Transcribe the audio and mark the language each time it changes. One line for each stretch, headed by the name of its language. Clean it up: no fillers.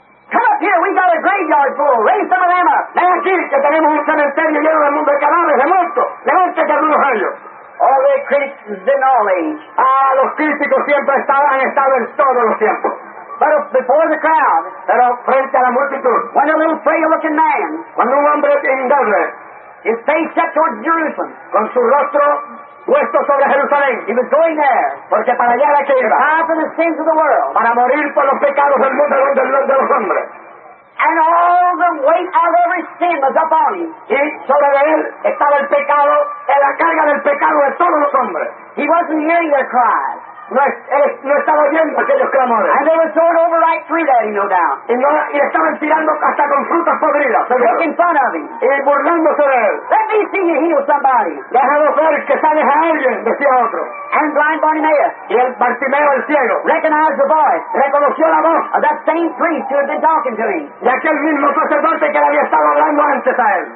English: Come up here, we got a graveyard full. Raise some of them up.
Spanish: Ven aquí, que tenemos un cementerio lleno del mundo de cadáveres, de muertos. Levántate algunos de ellos.
English: All the Christians in all age.
Spanish: Ah, los críticos siempre han estado en todos los tiempos.
English: But before the crowd,
Spanish: pero frente a la multitud,
English: when a little frail-looking man,
Spanish: cuando un hombre indoble,
English: his face set towards Jerusalem,
Spanish: con su rostro puesto sobre Jerusalén,
English: he was going there,
Spanish: porque para allá era que iba,
English: to die for the sins of the world,
Spanish: para morir por los pecados del mundo y de los hombres.
English: And all the weight of every sin was upon him.
Spanish: Y sobre él estaba el pecado, la carga del pecado de todos los hombres.
English: He wasn't hearing their cries.
Spanish: No estaba oyendo aquellos clamores.
English: And they were throwing over right through that, no doubt.
Spanish: Y estaban tirando hasta con frutas podridas.
English: Making fun of him.
Spanish: Y burlándose de él.
English: Let me see you heal somebody.
Spanish: Déjalo ver que sales a alguien, decía otro.
English: And blind Bartimaeus.
Spanish: Y el Bartimeo, el ciego.
English: Recognized the voice.
Spanish: Reconoció la voz.
English: Of that same priest who had been talking to him.
Spanish: Y aquel mismo sacerdote que le había estado hablando antes a él.